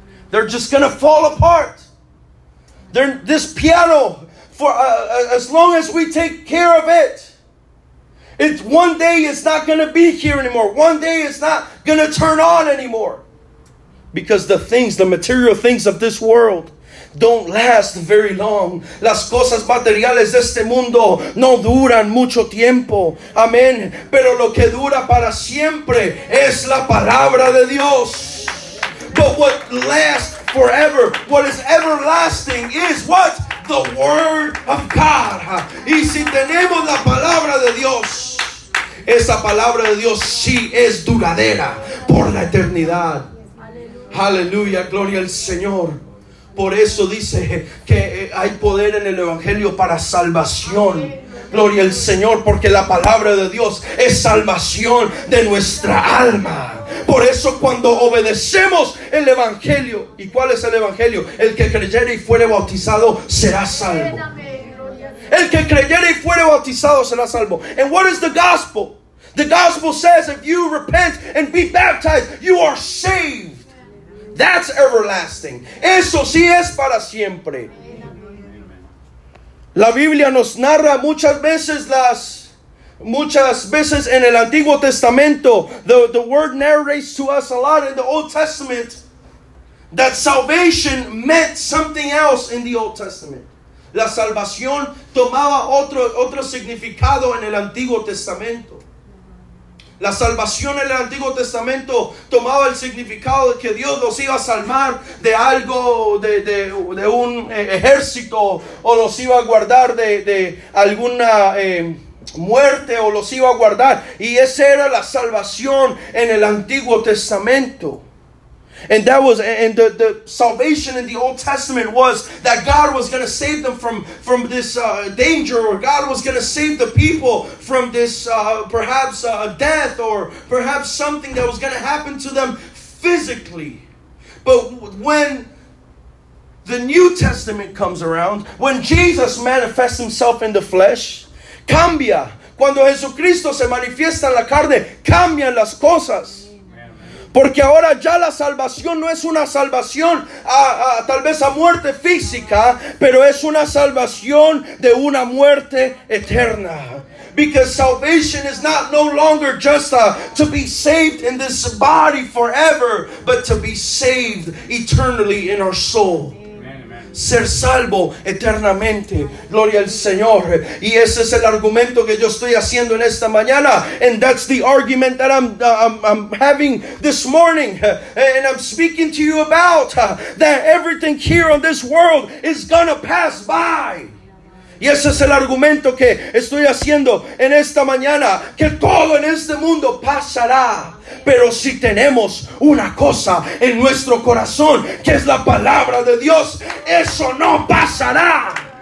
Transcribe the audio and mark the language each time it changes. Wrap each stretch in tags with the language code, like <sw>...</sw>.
<en>They're just going to fall apart. This piano, as long as we take care of it, it's one day it's not going to be here anymore. One day it's not going to turn on anymore. Because the things, the material things of this world, don't last very long.</en> <es>Las cosas materiales de este mundo no duran mucho tiempo. Amén. Pero lo que dura para siempre es la palabra de Dios.</es> <en>But what lasts forever, what is everlasting is what? The word of God.</en> <es>Y si tenemos la palabra de Dios, esa palabra de Dios sí es duradera por la eternidad. Aleluya, gloria al Señor. Por eso dice que hay poder en el Evangelio para salvación. Gloria al Señor, porque la palabra de Dios es salvación de nuestra alma. Por eso cuando obedecemos el Evangelio, ¿y cuál es el Evangelio? El que creyere y fuere bautizado será salvo. El que creyere y fuere bautizado será salvo.</es> <en>And what is the gospel? The gospel says if you repent and be baptized, you are saved. That's everlasting.</en> <es>Eso sí es para siempre. La Biblia nos narra muchas veces en el Antiguo Testamento.</es> <en>The word narrates to us a lot in the Old Testament that salvation meant something else in the Old Testament.</en> <es>La salvación tomaba otro significado en el Antiguo Testamento. La salvación en el Antiguo Testamento tomaba el significado de que Dios los iba a salvar de algo, de un ejército, o los iba a guardar de alguna muerte, o los iba a guardar. Y esa era la salvación en el Antiguo Testamento.</es> <en>And the salvation in the Old Testament was that God was going to save them from this danger, or God was going to save the people from this perhaps death, or perhaps something that was going to happen to them physically. But when the New Testament comes around, when Jesus manifests himself in the flesh, cambia.</en> <es>Cuando Jesucristo se manifiesta en la carne, cambian las cosas. Porque ahora ya la salvación no es una salvación a tal vez a muerte física, pero es una salvación de una muerte eterna.</es> <en>Because salvation is not no longer just to be saved in this body forever, but to be saved eternally in our soul.</en> <es>Ser salvo eternamente. Gloria al Señor. Y ese es el argumento que yo estoy haciendo en esta mañana.</es> <en>And that's the argument that I'm having this morning. And I'm speaking to you about that everything here on this world is gonna pass by.</en> <es>Y ese es el argumento que estoy haciendo en esta mañana. Que todo en este mundo pasará. Pero si tenemos una cosa en nuestro corazón, que es la palabra de Dios, eso no pasará.</es>